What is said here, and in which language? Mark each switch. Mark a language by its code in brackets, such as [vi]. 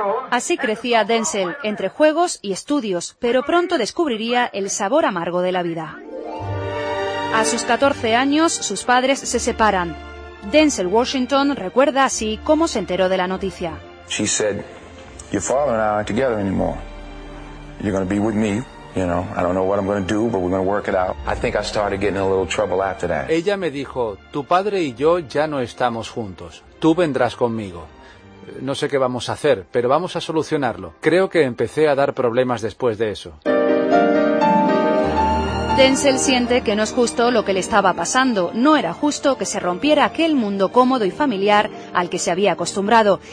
[es] Así crecía Denzel, entre juegos y estudios, pero pronto descubriría el sabor amargo de la vida. A sus 14 años, sus padres se separan. Denzel Washington recuerda así cómo se enteró de la noticia. [en] She said, "Your father and I aren't together anymore. You're going to be with me, you know. I don't know what I'm going to do, but we're going to work it out." I think I started getting a little trouble after that. [es] Ella me dijo, "Tu padre y yo ya no estamos juntos. Tú vendrás conmigo. No sé qué vamos a hacer, pero vamos a solucionarlo." Creo que empecé a dar problemas después de eso. Denzel siente que no es justo lo que le estaba pasando. No era justo que se rompiera aquel mundo cómodo y familiar al que se había acostumbrado.